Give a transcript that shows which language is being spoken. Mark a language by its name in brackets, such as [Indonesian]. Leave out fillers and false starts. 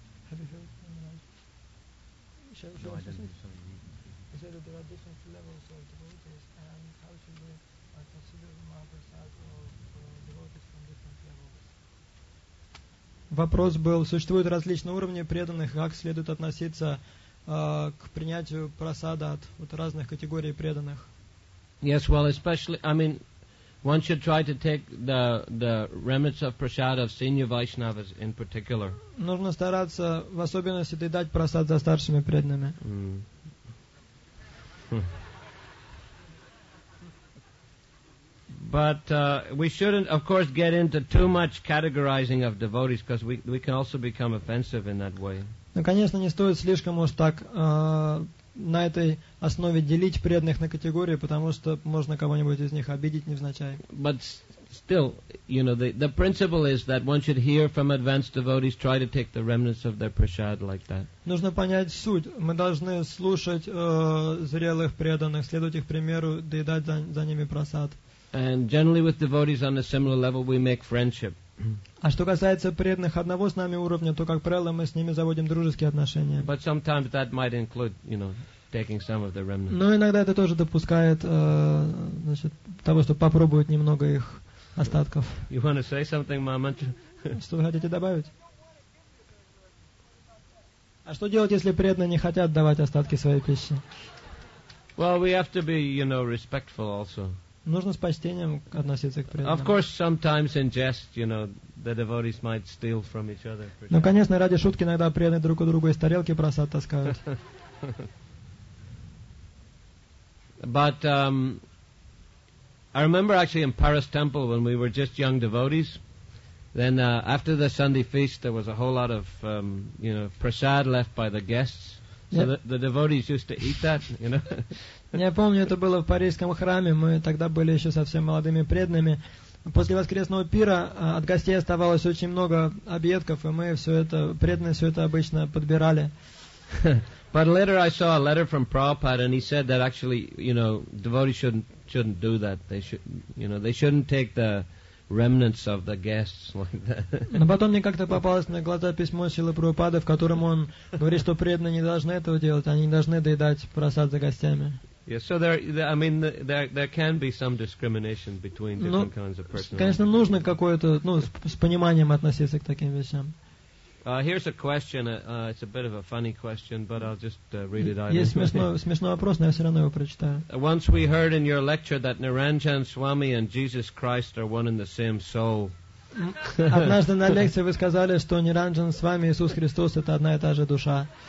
[English] Have you heard the noise? Shall I say that there are different levels of devotees and how should we consider the Mahaprasad of devotees from different levels? [Russian] Вопрос был, существуют различные уровни преданных, как следует относиться к принятию просада от вот, разных категорий преданных. [English] Yes, well, especially, I mean, one should try to take the remnants of prasad of senior Vaishnavas in particular. [Russian] Нужно стараться в особенности дать просад за старшими преданными. [English] But we shouldn't, of course, get into too much categorizing of devotees because we can also become offensive in that way. [Russian] Ну, конечно, не стоит слишком уж так на этой основе делить преданных на категории, потому что можно кого-нибудь из них обидеть невзначай. [English] But still, you know, the principle is that one should hear from advanced devotees, try to take the remnants of their prasad like that. [Russian] Нужно понять суть. Мы должны слушать зрелых преданных, следовать их примеру, доедать за ними просад. [English] And generally with devotees on a similar level we make friendship. [Russian] А что касается преданных одного с нами уровня, то, как правило, мы с ними заводим дружеские отношения. [English] But sometimes that might include, you know, taking some of the remnants. [Russian] Но иногда это тоже допускает значит, того, чтобы попробовать немного их остатков. [English] You want to say something, Mahamantra? [Russian] Что вы хотите добавить? А что делать, если преданные не хотят давать остатки своей пищи? [English] Well, we have to be, you know, respectful also. [Russian] Нужно с почтением относиться к преданным. [English] Of course, sometimes in jest, you know, the devotees might steal from each other. [Russian] Ну, конечно, ради шутки иногда преданные друг у друга из тарелки просад таскают. [English] But I remember actually in Paris Temple when we were just young devotees, then after the Sunday feast there was a whole lot of you know, prasad left by the guests. So the devotees used to eat that, you know. [Russian] Я помню, это было в парижском храме. Мы тогда были еще совсем молодыми преданными. После воскресного пира от гостей оставалось очень много объедков, и мы все это, преданные все это обычно подбирали. [English] But later I saw a letter from Prabhupada, and he said that actually, you know, devotees shouldn't do that. They should, you know, they shouldn't take the remnants of the guests like that. [Russian] Но потом мне как-то попалось на глаза письмо Шрилы Прабхупады, в котором он говорит, что преданные не должны этого делать, они не должны доедать просад за гостями. [English] Yes, so there can be some discrimination between different kinds of personality. [Russian] Конечно, нужно какое-то, ну, с пониманием относиться к таким вещам. [English] Here's a question. It's a bit of a funny question, but I'll just read it out. [Russian] Есть смешной вопрос, но я все равно его прочитаю. [English] Once we heard in your lecture that Niranjan Swami and Jesus Christ are one and the same soul. [Russian] Однажды на лекции вы сказали, что Ниранджан с вами Иисус Христос это одна и та же душа.